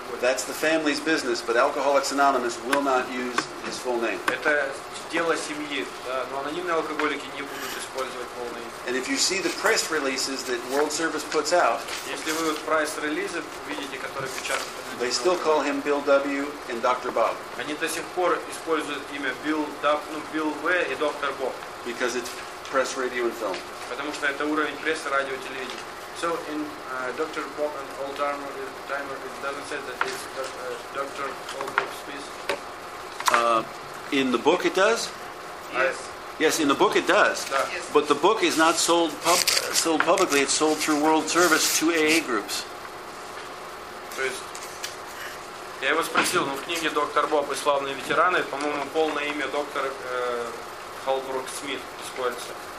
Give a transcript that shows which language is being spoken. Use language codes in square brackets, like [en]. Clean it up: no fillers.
[en] That's the family's business, but Alcoholics Anonymous will not use his full name. [ru] Это дело семьи, да, но анонимные алкоголики не будут использовать полное имя. [en] And if you see the press releases that World Service puts out, [ru] если вы вот пресс-релизы видите, которые печатают, [en] they still call him Bill W. and Dr. Bob. [ru] Они до сих пор используют имя Bill W. и Dr. Bob. [en] Because it's press, radio, and film. [ru] Потому что это уровень пресса, радио, телевидения. [en] So in Dr. Bob and Oldtimer, it doesn't say that it's Dr. Oldtimer's piece? In the book it does? Yes. Yes, in the book it does. Yes. But the book is not sold publicly. It's sold through World Service to AA groups. [ru] Я его спросил, но в книге «Доктор Боб и славные ветераны», по-моему, полное имя доктор Холбрук Смит используется.